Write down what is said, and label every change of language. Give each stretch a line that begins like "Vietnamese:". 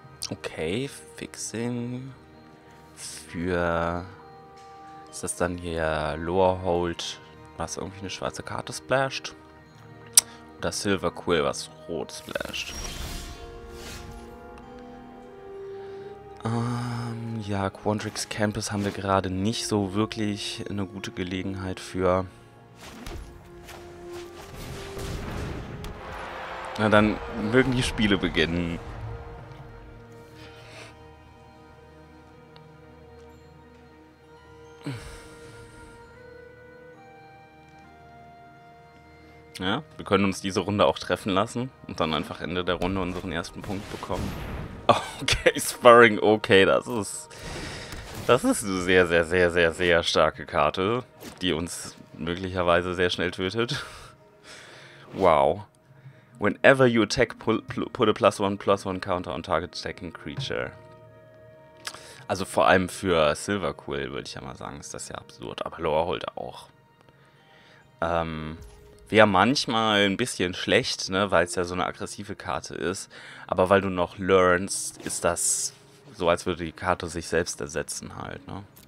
German: Okay, Fixing für. Ist das dann hier Lore Hold, was irgendwie eine schwarze Karte splasht? Oder Silver Quill, was rot splasht? Ja, Quandrix Campus haben wir gerade nicht so wirklich eine gute Gelegenheit für. Na, dann mögen die Spiele beginnen. Ja, wir können uns diese Runde auch treffen lassen und dann einfach Ende der Runde unseren ersten Punkt bekommen. Okay, Sparring, okay, das ist eine sehr, sehr, sehr, sehr, sehr starke Karte, die uns möglicherweise sehr schnell tötet. Wow.
English: Whenever you attack, put a plus one counter on target attacking creature.
German: Also vor allem für Silverquill würde ich ja mal sagen, ist das ja absurd, aber Lorehold auch. Wäre manchmal ein bisschen schlecht, ne, weil es ja so eine aggressive Karte ist. Aber weil du noch learnst, ist das so, als würde die Karte sich selbst ersetzen halt, ne?